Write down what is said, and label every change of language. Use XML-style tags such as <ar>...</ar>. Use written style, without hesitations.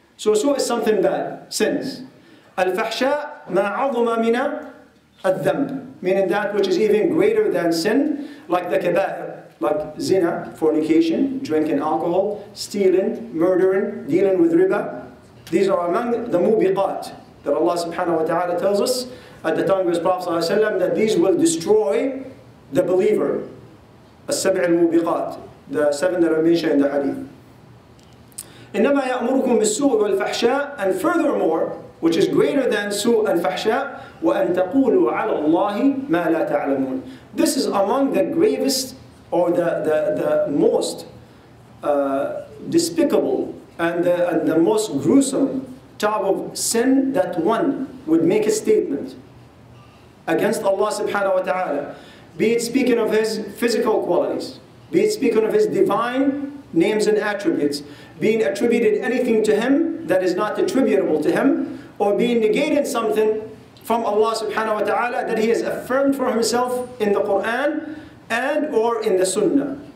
<en>So su is something bad, sins.</en> <ar>Al-fahsha ma azuma mina al-dhamb,</ar> <en>meaning that which is even greater than sin, like the kaba'ir, like zina, fornication, drinking alcohol, stealing, murdering, dealing with riba. These are among the mubiqat that Allah subhanahu wa ta'ala tells us at the time of His Prophet sallallahu alayhi wa sallam, that these will destroy the believer. As-sab' al-mubiqat, the seven that are mentioned in the hadith.</en> <ar>إِنَّمَا يَأْمُرُكُمْ بِالسُّوءِ وَالْفَحْشَاءِ.</ar> <en>And furthermore, which is greater than</en> <ar>سوء الفحشاء, وَأَنْ تَقُولُوا عَلَى اللَّهِ مَا لَا تَعْلَمُونَ.</ar> <en>This is among the gravest or the most despicable and the most gruesome type of sin that one would make a statement against Allah subhanahu wa ta'ala, be it speaking of His physical qualities, be it speaking of His divine names and attributes, being attributed anything to Him that is not attributable to Him, or being negated something from Allah subhanahu wa ta'ala that He has affirmed for Himself in the Qur'an and or in the Sunnah.</en>